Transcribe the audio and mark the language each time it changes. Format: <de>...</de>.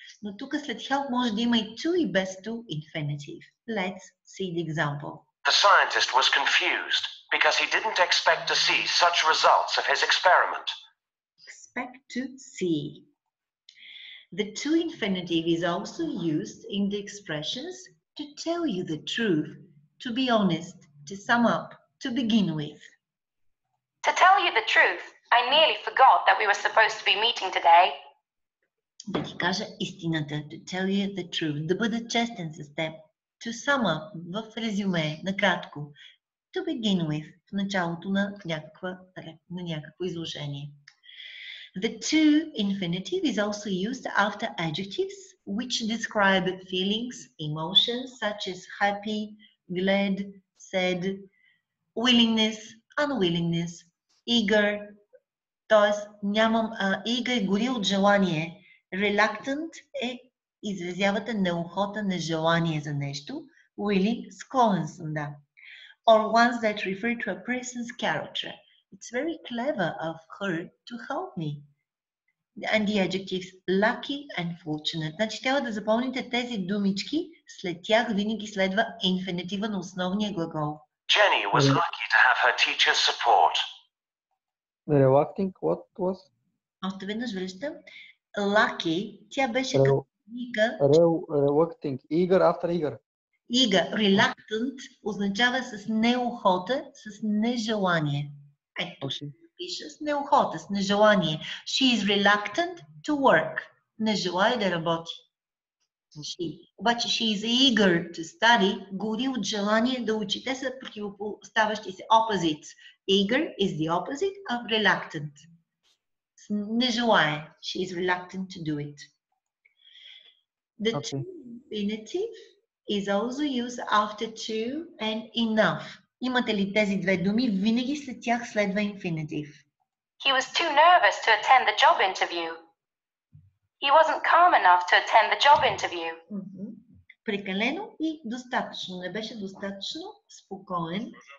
<bg>Но тук след help може да има и to и без to infinitive.</bg> <en>Let's see the example. The scientist was confused because he didn't expect to see such results of his experiment. Expect to see. The to infinitive is also used in the expressions to tell you the truth, to be honest, to sum up, to begin with. To tell you the truth, I nearly forgot that we were supposed to be meeting today.</en> <bg>Да ти кажа истината,</bg> <en>to tell you the truth,</en> <bg>да бъда честен с теб.</bg> <en>To sum up,</en> <bg>в резюме, накратко.</bg> <en>To begin with,</en> <bg>в началото на някакво изложение.</bg> <en>The to infinitive is also used after adjectives which describe feelings, emotions such as happy, glad, sad, willingness, unwillingness, eager,</en> <bg>тоест нямам</bg> <en>eager,</en> <bg>гори от желание. Reluctant е изразявате неохота, нежелание за нещо, willing, склонен съм, да.</bg> <en>Or ones that refer to a person's character. It's very clever of her to help me. And the adjectives lucky and fortunate.</en> <bg>Значи трябва да запомните тези думички, след тях винаги следва инфинитива на основния глагол.</bg> <en>Jenny was lucky to have her teacher's support. Reluctant, what was?</en> <bg>Още веднъж връщам. Lucky, тя беше</bg> <en>книга. Reluctant, eager after eager.</en> <bg>Eager, reluctant означава с неохота, с нежелание. Пише с неохота, с нежелание.</bg> <en>She is reluctant to work.</en> <bg>Не желая да работи. Обаче</bg> <en>she is eager to study.</en> <bg>Гори от желание да учи. Те са противопоставащи се.</bg> <en>Opposites. Eager is the opposite of reluctant.</en> <bg>Не желая.</bg> <en>She is reluctant to do it. The okay. Infinitive is also used after two and enough.</en> <bg>Имате ли тези две думи? Винаги след тях следва инфинитив.</bg> <en>He was too nervous to attend the job interview. He wasn't calm enough to attend the job interview.</en> <bg>Прекалено и достатъчно. Не беше достатъчно спокоен</bg>